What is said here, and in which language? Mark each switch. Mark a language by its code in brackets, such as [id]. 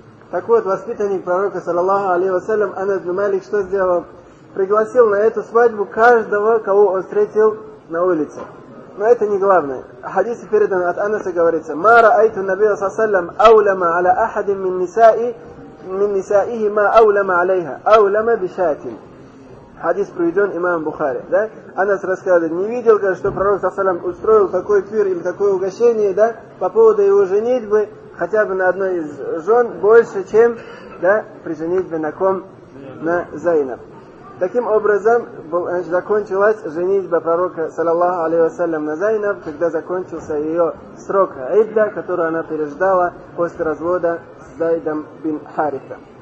[ru] Так вот, воспитанник пророка, саллаллаху алейхи ва саллям, Анас ибн Малик что сделал? Пригласил на эту свадьбу каждого, кого он встретил на улице. Но это не главное. Хадис передан от Анаса, говорится: [ar] ما رأيت النبي صلى الله عليه وسلم أولم على أحد من نسائه ما أولم عليها أولم بشات. [ru] Хадис приведен имамом Бухари. Да? Анас рассказывает, не видел, что пророк салям устроил такой пир или такое угощение, да, по поводу его женитьбы хотя бы на одной из жен больше, чем, да, при женитьбе на ком? На Зайнаб. Таким образом, закончилась женитьба пророка, саллаллаху алейхи вассалям, на Зайнаб, когда закончился ее срок Айдда, который она переждала после развода с Зайдом бин Харитом.